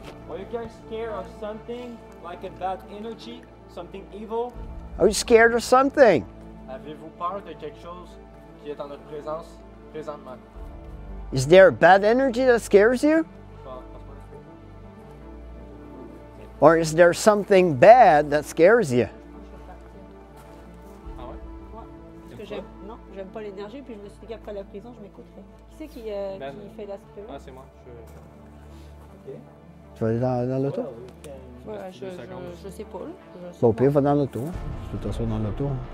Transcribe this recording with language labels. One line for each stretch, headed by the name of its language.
English: Are you guys scared of something like a bad energy? Something evil? Are you scared of something?
French: Avez-vous peur de quelque chose qui est en notre présence présentement?
English: Is there a bad energy that scares you? Or is there something bad that scares you?
French: Ah ouais? Parce que j'aime, non, j'aime pas l'énergie, puis je me suis dit qu'après la prison, je m'écouterai. Qui c'est qui fait la spirit? Ah, c'est moi. Tu vas aller dans l'auto? Ouais, je sais pas. Là. Bon, puis va dans l'auto. De toute façon, dans l'auto.